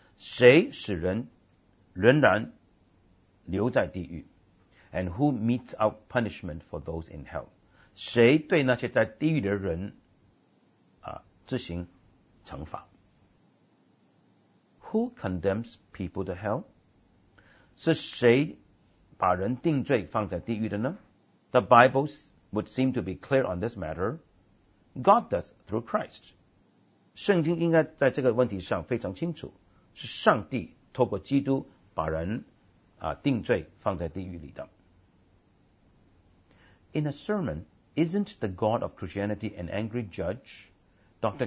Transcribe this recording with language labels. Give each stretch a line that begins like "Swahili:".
Chinese: 谁使人仍然留在地狱 ？
English: And who meets out punishment for those in hell?
Chinese: 谁对那些在地狱的人啊执行？惩罚。
English: Who condemns people to hell?
Chinese: 是谁把人定罪放在地狱的呢？
English: The Bible would seem to be clear on this matter. God does through Christ.
Chinese: 圣经应该在这个问题上非常清楚，是上帝透过基督把人、定罪放在地狱里的。
English: In a sermon, isn't the God of Christianity an angry judge? Dr.